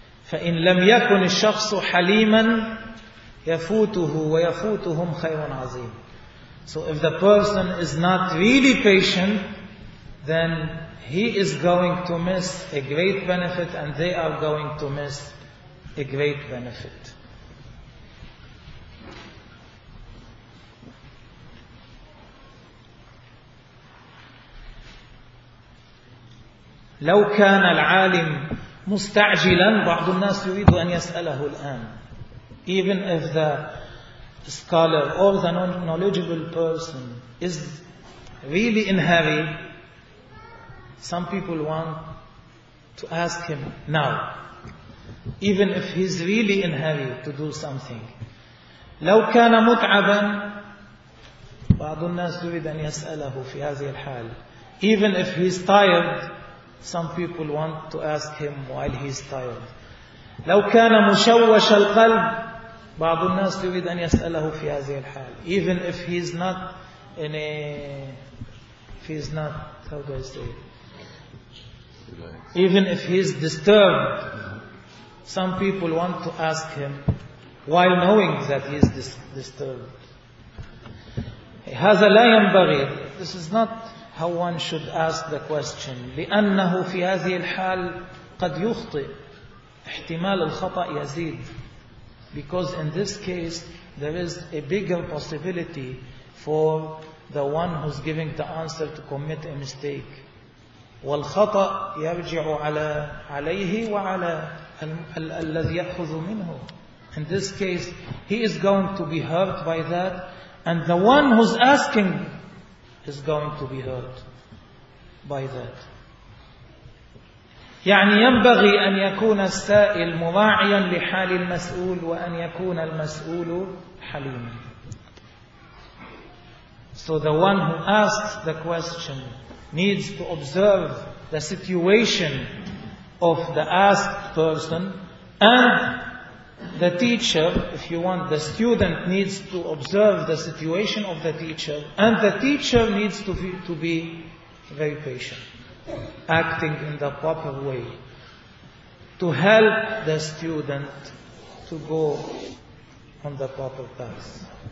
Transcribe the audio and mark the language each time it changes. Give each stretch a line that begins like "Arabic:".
Arabic: فإن لم يكن الشخص حليما يفوته ويفوتهم خير عظيم.
English: So if the person is not really patient, then he is going to miss a great benefit and they are going to miss a great benefit.
Arabic: لو كان العالم مستعجلا، بعض الناس يريد أن يسأله الآن.
English: Even if the scholar or the knowledgeable person is really in hurry, some people want to ask him now. Even if he's really in hurry to do something.
Arabic: لو كان متعبا، بعض الناس يريد أن يسأله في هذه الحال.
English: Even if he's tired, some people want to ask him while he's tired.
Arabic: لو كان مشوش القلب، بعض الناس يريد أن يسأله في هذه الحال.
English: Even if he's not in a, if he's not, how do I say it? Even if he's disturbed, some people want to ask him while knowing that he's disturbed.
Arabic: هذا لا ينبغي.
English: This is not how one should ask the question.
Arabic: لأنه في هذه الحال قد يخطئ. احتمال الخطأ يزيد.
English: Because in this case, there is a bigger possibility for the one who's giving the answer to commit a mistake.
Arabic: والخطأ يرجع على عليه وعلى الذي يأخذ منه.
English: In this case, he is going to be hurt by that, and the one who's asking is going to be hurt by that.
Arabic: يعني ينبغي أن يكون السائل مراعيا لحال المسؤول وأن يكون المسؤول حليما.
English: So the one who asks the question needs to observe the situation of the asked person, and the teacher, if you want, the student needs to observe the situation of the teacher, and the teacher needs to be very patient, acting in the proper way to help the student to go on the proper path.